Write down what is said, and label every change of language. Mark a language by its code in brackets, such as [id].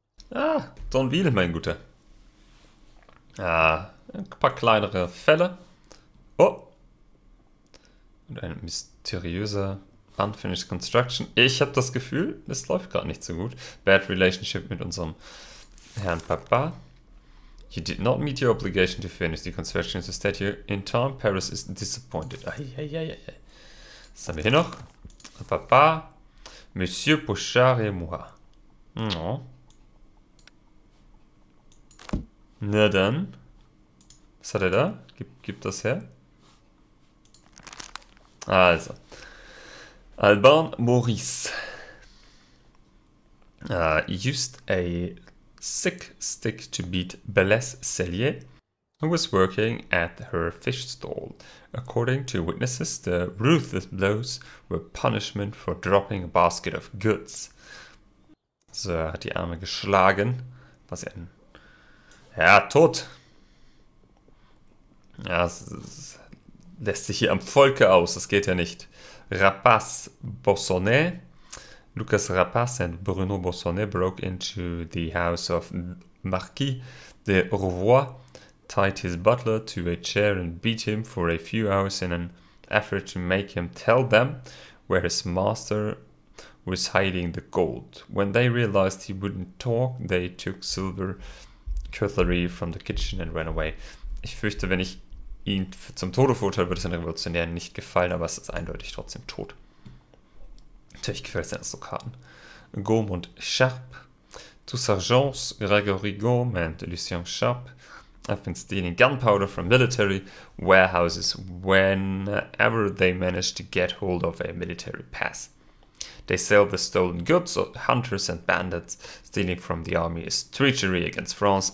[de] Ah, Donville, mein Guter. Ah, ein paar kleinere Fälle. Oh. Und ein mysteriöser [en] Unfinished Construction. [de] Ich habe das Gefühl, es läuft gerade nicht so gut. [en] Bad Relationship [de] mit unserem Herrn Papa. [en] You did not meet your obligation to finish the construction of the statue. In time, Paris is disappointed. [de] Eieieiei. Was haben wir hier noch? [en] Papa. [fr] Monsieur Pochard et moi. Oh. [de] Na dann. Was hat er da? Gib das her. Also. Alban Maurice. [en] Used a sick stick to beat Belles Cellier, who was working at her fish stall. According to witnesses, the ruthless blows were punishment for dropping a basket of goods. [de] So, er hat die Arme geschlagen. Was er denn? Ja, tot. Ja, das lässt sich hier am Volke aus. Das geht ja nicht. Rapace Bossonnet. [en] Lucas Rapace and Bruno Bossonnet broke into the house of Marquis de Rouvoy, tied his butler to a chair and beat him for a few hours in an effort to make him tell them where his master was hiding the gold. When they realized he wouldn't talk, they took silver cutlery from the kitchen and ran away. [de] Ich fürchte, wenn ich ihn zum Tode verurteile, würde es den Revolutionären nicht gefallen, aber es ist eindeutig trotzdem tot. Natürlich gefällt es den Aristokraten. Gaume und Sharp. [en] Two Sergeants, Gregory Gaume and Lucien Sharp, have been stealing gunpowder from military warehouses whenever they manage to get hold of a military pass. They sell the stolen goods to hunters and bandits. Stealing from the army is treachery against France.